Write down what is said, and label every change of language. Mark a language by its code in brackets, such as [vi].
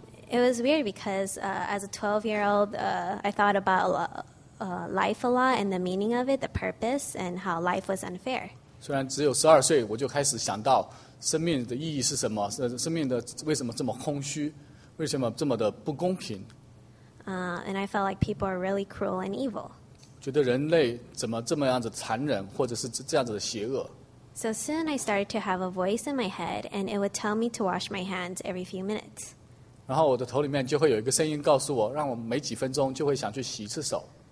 [en] It was weird because as a 12-year-old, I thought about life a lot and the meaning of it, the purpose, and how life was unfair. [zh] 虽然只有十二岁，我就开始想到生命的意义是什么，生命的为什么这么空虚，为什么这么的不公平。 [en] And I felt like people are really cruel and evil. [zh] 觉得人类怎么这么样子残忍，或者是这样子的邪恶。 [en] So soon I started to have a voice in my head, and it would tell me to wash my hands every few minutes. [zh] 然后我的头里面就会有一个声音告诉我，让我每几分钟就会想去洗一次手。